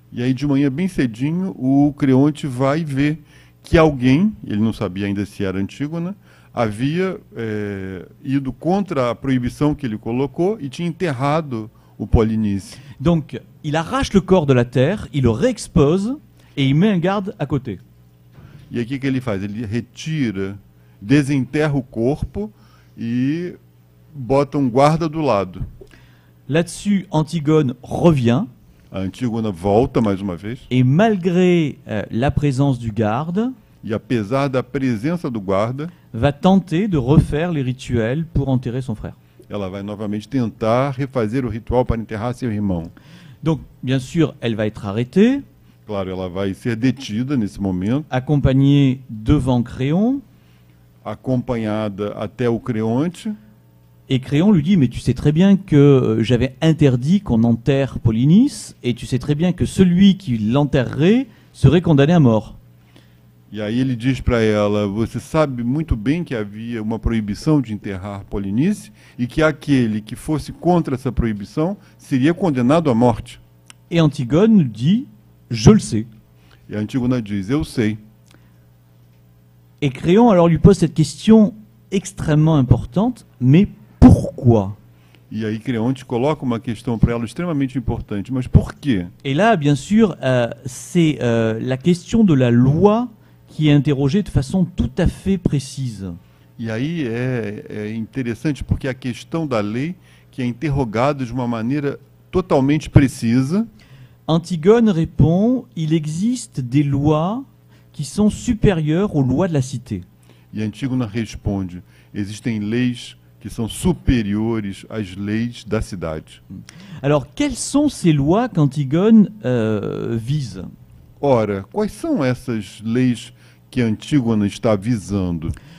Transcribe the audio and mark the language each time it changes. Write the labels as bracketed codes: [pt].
[pt] E aí de manhã bem cedinho, o Creonte vai ver que alguém, ele não sabia ainda se era Antígona, havia ido contra a proibição que ele colocou e tinha enterrado o Polynices. [fr] Donc, il arrache le corps de la terre, il le réexpose et il met un garde à côté. [pt] E aqui o que ele faz? Ele retira, desenterra o corpo e bota um guarda do lado. [fr] Là-dessus, Antigone revient. [pt] Antigone volta mais uma vez. [fr] Et malgré la présence du garde, [pt] e apesar da presença do guarda, [fr] va tenter de refaire les rituels pour enterrer son frère. [pt] Ela vai novamente tentar refazer o ritual para enterrar seu irmão. [fr] Donc, bien sûr, elle va être arrêtée. [pt] Claro, ela vai ser detida nesse momento. [fr] Accompagnée devant Créon. [pt] Acompanhada até o Creonte. [fr] Et Créon lui dit, mais tu sais très bien que j'avais interdit qu'on enterre Polynice, et tu sais très bien que celui qui l'enterrerait serait condamné à mort. [pt] E aí ele diz para ela, você sabe muito bem que havia uma proibição de enterrar Polynice, e que aquele que fosse contra essa proibição seria condenado à morte. [fr] Et Antigone dit, je le sais. [pt] E Antigone diz, eu sei. [fr] Et Créon alors lui pose cette question extrêmement importante, mais pourquoi? [pt] E aí Creonte coloca uma questão para ela extremamente importante, mas por quê? [fr] Et là, bien sûr, c'est la question de la loi qui est interrogée de façon tout à fait précise. [pt] E aí é interessante porque a questão da lei que é interrogada de uma maneira totalmente precisa. [fr] Antigone répond, il existe des lois qui sont supérieures aux lois de la cité. [pt] E Antigone responde, existem leis que são superiores às leis da cidade. [fr] Alors, quelles sont ces lois qu'Antigone vise? [pt] Ora, quais são essas leis que Antigone está visando?